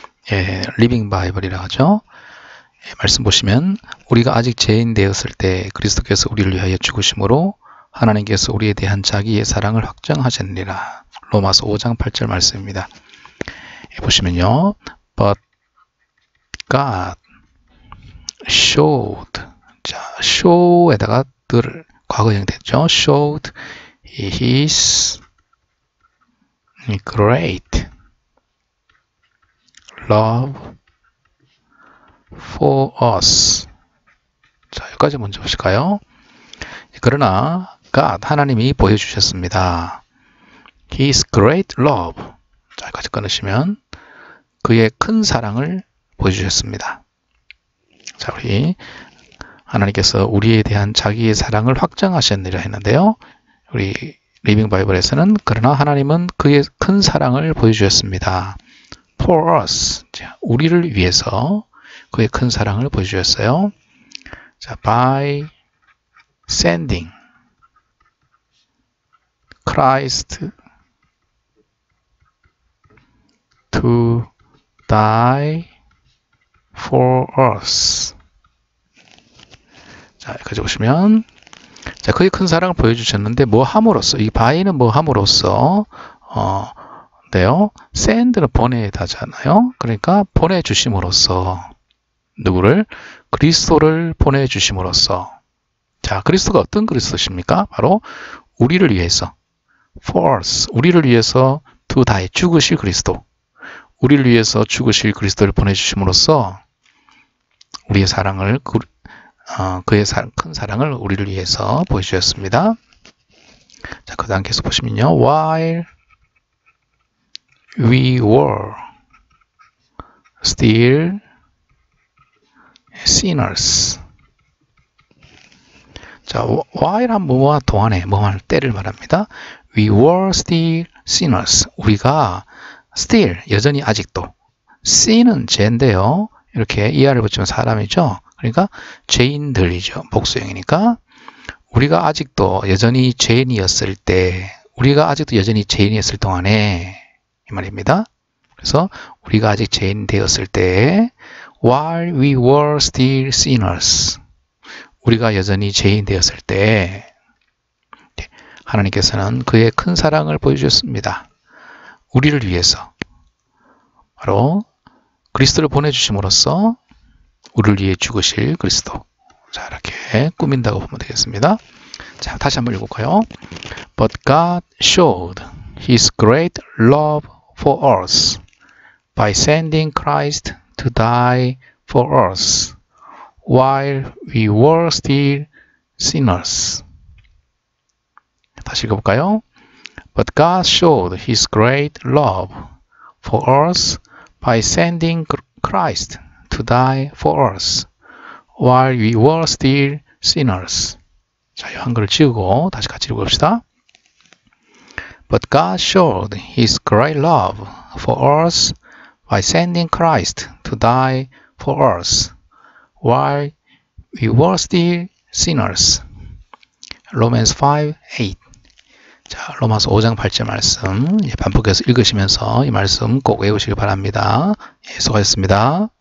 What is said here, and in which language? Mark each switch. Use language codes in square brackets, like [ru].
[ko] 예, Living Bible이라 하죠. 예, 말씀 보시면 우리가 아직 죄인 되었을 때 그리스도께서 우리를 위하여 죽으심으로 하나님께서 우리에 대한 자기의 사랑을 확증하셨느니라. 로마서 5장 8절 말씀입니다. 예, 보시면요. [en] But God showed [ko] 쇼에다가 들 과거형 됐죠. [en] showed his great love for us. [ko] 자, 여기까지 먼저 보실까요? 그러나 God 하나님이 보여주셨습니다. [en] his great love. [ko] 자, 여기까지 끊으시면 그의 큰 사랑을 보여주셨습니다. 자, 우리 하나님께서 우리에 대한 자기의 사랑을 확증하셨느니라 했는데요. 우리 리빙 바이블에서는 그러나 하나님은 그의 큰 사랑을 보여주셨습니다. [en] For us, [ko] 우리를 위해서 그의 큰 사랑을 보여주셨어요. [en] 자, by sending Christ to die for us. [ko] 자, 여기까지 보시면, 자, 그의 큰 사랑을 보여주셨는데, 뭐 함으로써, 이 바이는 뭐 함으로써, 네요. 샌드를 보내다잖아요. 그러니까, 보내주심으로써, 누구를? 그리스도를 보내주심으로써. 자, 그리스도가 어떤 그리스도십니까? 바로, 우리를 위해서. [en] For us. [ko] 우리를 위해서 [en] to die. [ko] 죽으실 그리스도. 우리를 위해서 죽으실 그리스도를 보내주심으로써, 우리의 사랑을, 그의 큰 사랑을 우리를 위해서 보여주셨습니다. 자, 그 다음 계속 보시면요. [en] While we were still sinners. [ko] 자, while한 뭐뭐와 동안에, 뭐뭐할 때를 말합니다. [en] We were still sinners. [ko] 우리가 still, 여전히 아직도. sin은 죄인데요. 이렇게 er을 붙이면 사람이죠. 그러니까 죄인들이죠. 복수형이니까 우리가 아직도 여전히 죄인이었을 때, 우리가 아직도 여전히 죄인이었을 동안에 이 말입니다. 그래서 우리가 아직 죄인 되었을 때, [en] while we were still sinners, [ko] 우리가 여전히 죄인 되었을 때, 하나님께서는 그의 큰 사랑을 보여주셨습니다. 우리를 위해서 바로 그리스도를 보내주심으로써. 우리를 위해 죽으실 그리스도. 자, 이렇게 꾸민다고 보면 되겠습니다. 자, 다시 한번 읽어볼까요? [en] But God showed His great love for us by sending Christ to die for us while we were still sinners. [ko] 다시 읽어볼까요? [en] But God showed His great love for us by sending Christ to die for us while we were still sinners. [ko] 자, 이 한글을 지우고 다시 같이 읽어봅시다. [en] But God showed His great love for us by sending Christ to die for us while we were still sinners. Romans 5:8. [ko] 자, 로마서 5장 8절 말씀. 예, 반복해서 읽으시면서 이 말씀 꼭 외우시길 바랍니다. 예, 수고하셨습니다.